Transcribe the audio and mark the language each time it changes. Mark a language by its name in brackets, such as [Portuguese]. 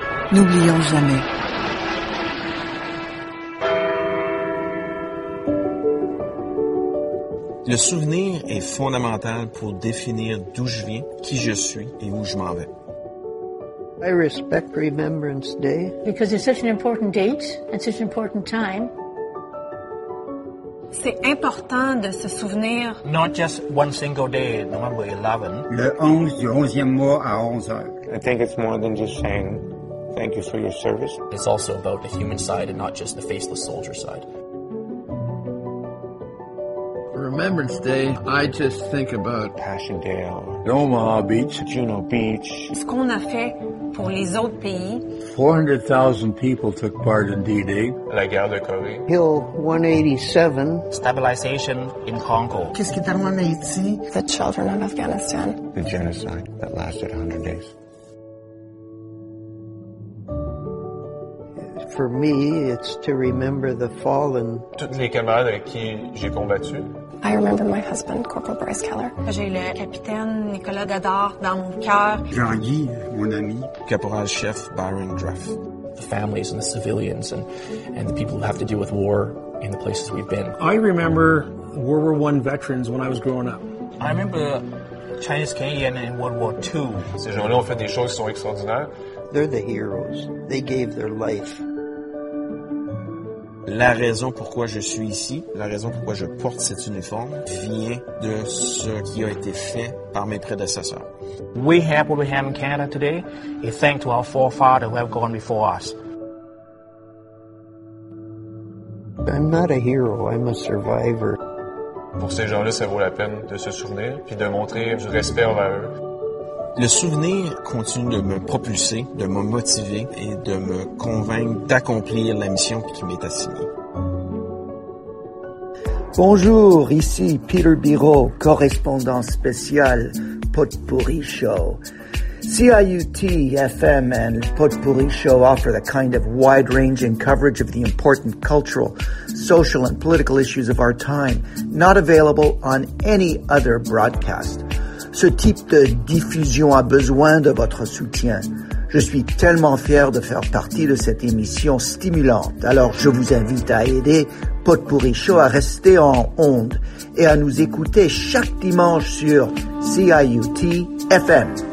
[French] N'oublions jamais. Le souvenir est fondamental pour définir d'où je viens, qui je suis et où je m'en vais. [English] I respect Remembrance Day. Because it's such an important date and such an important time. [French] C'est important de se souvenir. [English] Not just one single day, November 11. [French] Le 11 du 11e mois à 11 heures. [English] I think it's more than just saying thank you for your service. It's also about the human side and not just the faceless soldier side. For Remembrance Day, I just think about Passchendaele, Omaha Beach, Juneau Beach. [French] Ce qu'on a fait pour les autres pays. [English] 400,000 people took part in D-Day. [French] La guerre de Corée. [English] Hill 187. Stabilization in Congo. [French] Qu'est-ce qui est arrivé en Haïti? [English] The children of Afghanistan. The genocide that lasted 100 days. For me, it's to remember the fallen. [French] Toutes les camarades avec qui j'ai combattu. [English] I remember my husband, Corporal Bryce Keller. [French] J'ai le capitaine Nicolas Gadar dans mon cœur. Jean-Guy, mon ami. Caporal chef Byron Dreff. [English] The families and the civilians and the people who have to deal with war in the places we've been. I remember World War I veterans when I was growing up. I remember Chinese Canadians in World War II. [French] Ces gens-là ont fait des choses qui sont extraordinaires. [English] They're the heroes. They gave their life. [French] La raison pourquoi je suis ici, la raison pourquoi je porte cet uniforme, vient de ce qui a été fait par mes prédécesseurs. [English] We have what we have in Canada today, and thanks to our forefathers who have gone before us. I'm not a hero, I'm a survivor. [French] Pour ces gens-là, ça vaut la peine de se souvenir, puis de montrer du respect envers eux. Le souvenir continue de me propulser, de me motiver et de me convaincre d'accomplir la mission qui m'est assignée. Bonjour, ici Peter Biraud, correspondant spécial Potpourri Show. [English] CIUT FM and Potpourri Show offer the kind of wide-ranging coverage of the important cultural, social, and political issues of our time, not available on any other broadcast. [French] Ce type de diffusion a besoin de votre soutien. Je suis tellement fier de faire partie de cette émission stimulante. Alors, je vous invite à aider Potpourri Show à rester en onde et à nous écouter chaque dimanche sur CIUT FM.